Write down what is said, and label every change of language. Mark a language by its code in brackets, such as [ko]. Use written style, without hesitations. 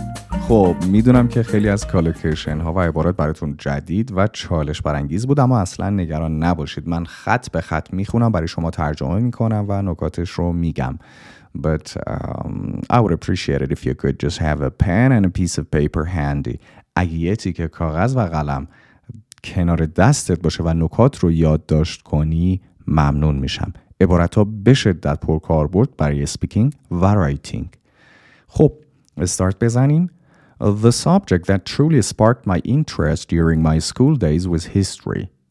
[fa] خب میدونم که خیلی از کالوکیشن ها و عبارات براتون جدید و چالش برانگیز بود، اما اصلا نگران نباشید، من خط به خط میخونم برای شما ترجمه میکنم و نکاتش رو میگم. [en] But I would appreciate it if you could just have a pen and a piece of paper handy. [fa] اگه یه تیکه کاغذ و قلم کنار دستت باشه و نکات رو یادداشت کنی ممنون میشم. عبارات ها به شدت پرکاربرد برای speaking و writing. خب استارت بزنیم. [en] The subject that truly sparked my interest during my school days was history.